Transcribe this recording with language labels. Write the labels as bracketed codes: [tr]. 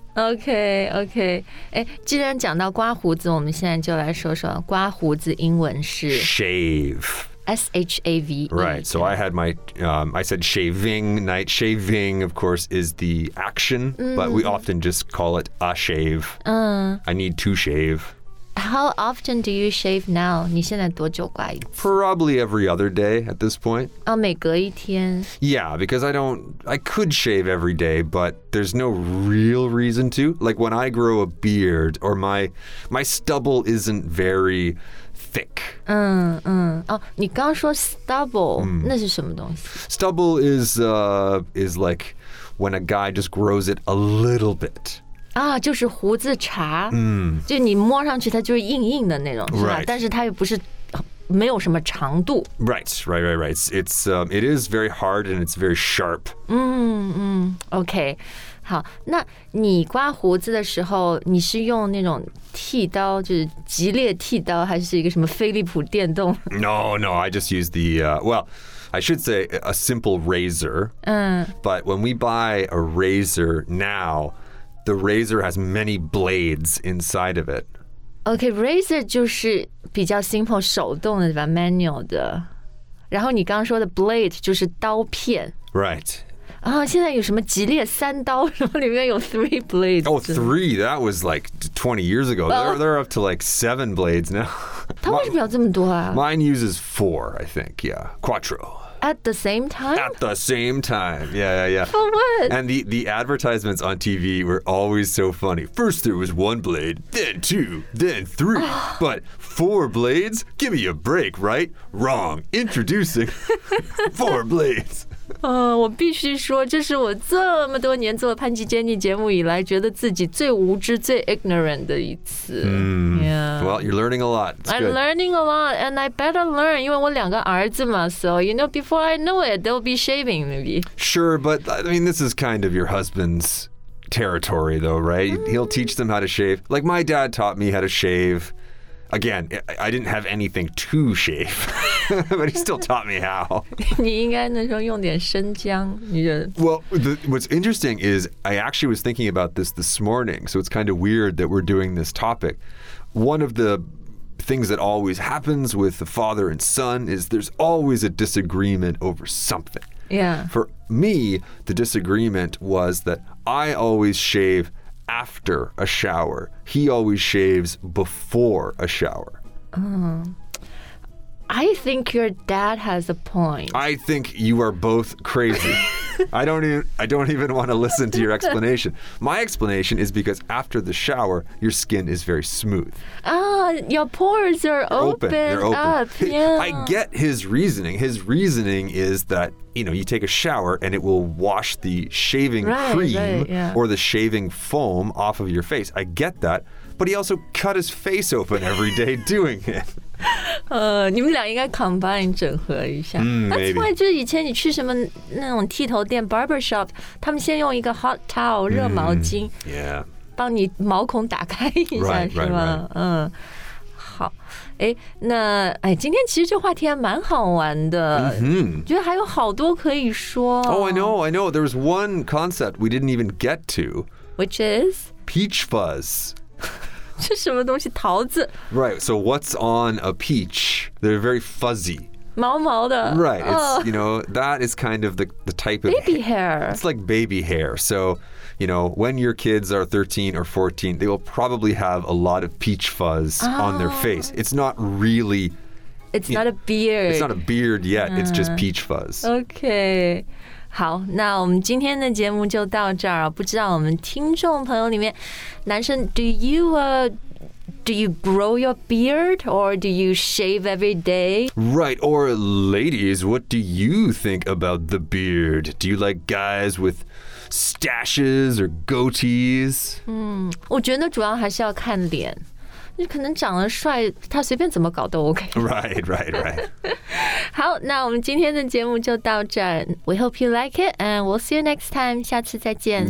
[en] Okay. [zh] 既然讲到刮胡子，我们现在就来说说刮胡子英文是 [en] shave. S-H-A-V-E. Right, so I had my, I said shaving night. Shaving, of course, is the action, but we often just call it a shave. I need to shave. How often do you shave now? [zh] 你现在多久刮一次? [en] Probably every other day at this point. [zh] 哦，每隔一天。 [en] Yeah, because I could shave every day, but there's no real reason to. Like when I grow a beard, or my stubble isn't very thick. 嗯嗯。 [zh] 哦，你刚说 stubble, 那是什么东西? [en] Stubble is like when a guy just grows it a little bit. [zh] 啊，就是胡子茬，就你摸上去它就是硬硬的那种，是吧？ [en] Right. [zh] 但是它又不是没有什么长度。 [en] Right. It is very hard and it's very sharp. [zh] 嗯，OK， 好，那你刮胡子的时候，你是用那种剃刀，就是激烈剃刀，还是一个什么飞利浦电动 [en] ？No. I just use the I should say a simple razor. 嗯。 But when we buy a razor now. The razor has many blades inside of it. [zh] Okay, razor 就是比较 simple 手动的对吧 ？Manual 的。然后你刚刚说的 blade 就是刀片。 [en] Right. [zh] 啊，现在有什么吉列三刀？什么里面有 [en] three blades？ Oh, three. That was like 20 years ago. They're up to like 7 blades now. [zh] 它为什么要这么多啊 [en] ？Mine uses 4, I think. Yeah, quattro. At the same time? At the same time. Yeah. For what? And the advertisements on TV were always so funny. First there was one blade, then two, then three. But four blades? Give me a break, right? Wrong. Introducing four blades. [zh] 我必须说，这是我这么多年做潘吉坚尼节目以来，觉得自己最无知、最 ignorant 的一次。 [en] Yeah. Well, you're learning a lot. I'm learning a lot, and I better learn, [zh] 因为我两个儿子嘛。 [en] So you know, before I know it, they'll be shaving, maybe. Sure, but I mean, this is kind of your husband's territory, though, right? He'll teach them how to shave. Like my dad taught me how to shave. Again, I didn't have anything to shave. But he still taught me how. [zh] 你应该那时候用点生姜，你觉得 [en] ？Well, what's interesting is I actually was thinking about this morning, so it's kind of weird that we're doing this topic. One of the things that always happens with the father and son is there's always a disagreement over something. Yeah. For me, the disagreement was that I always shave after a shower. He always shaves before a shower. I think your dad has a point. I think you are both crazy. I don't even want to listen to your explanation. My explanation is because after the shower, your skin is very smooth. Ah, your pores are open. Yeah. I get his reasoning. His reasoning is that, you know, you take a shower and it will wash the shaving cream or the shaving foam off of your face. I get that. But he also cut his face open every day doing it. [zh] 你们俩应该 combine 整合一下。 [en] That's [zh] why 就以前你去什么那种剃头店 [en] barber shop， [zh] 他们先用一个 [en] hot towel [zh] 热毛巾， [en] yeah， [zh] 帮你毛孔打开一下， [en] right, [zh] 是吗？ [en] Right. [zh] 嗯，好。哎，那哎，今天其实这话题还蛮好玩的， mm-hmm. 觉得还有好多可以说。 [en] Oh, I know. There was one concept we didn't even get to, which is peach fuzz. [zh] 是什么东西？桃子。 [en] Right. So what's on a peach? They're very fuzzy. [zh] 毛毛的。 [en] Right. You know, that is kind of the type of baby hair. It's like baby hair. So, you know, when your kids are 13 or 14, they will probably have a lot of peach fuzz on their face. It's not really. It's not a beard. It's not a beard yet. It's just peach fuzz. Okay. [zh] 好，那我们今天的节目就到这儿。不知道我们听众朋友里面，男生 [en] do you grow your beard or do you shave every day? Right. Or ladies, what do you think about the beard? Do you like guys with stashes or goatees? [zh] 我觉得主要还是要看脸。你可能长得帅，他随便怎么搞都 OK。 [en] Right. [zh] 好，那我们今天的节目就到这儿。 [en] We hope you like it, and we'll see you next time. [zh] 下次再见。